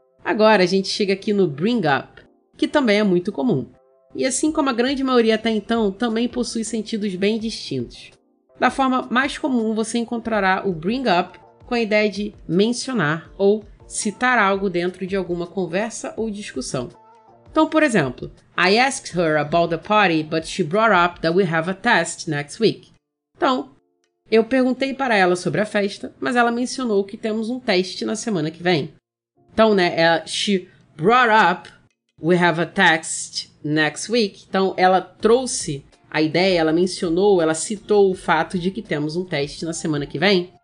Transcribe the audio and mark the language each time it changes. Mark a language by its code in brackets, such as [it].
[pt] Agora a gente chega aqui no bring up, que também é muito comum. E assim como a grande maioria até então, também possui sentidos bem distintos. Da forma mais comum, você encontrará o bring up com a ideia de mencionar ou citar algo dentro de alguma conversa ou discussão. Então, por exemplo, [en] I asked her about the party, but she brought up that we have a test next week. [pt] Então, eu perguntei para ela sobre a festa, mas ela mencionou que temos um teste na semana que vem. Então, né, [en] she brought up we have a test next week. [pt] Então, ela trouxe a ideia, ela mencionou, ela citou o fato de que temos um teste na semana que vem.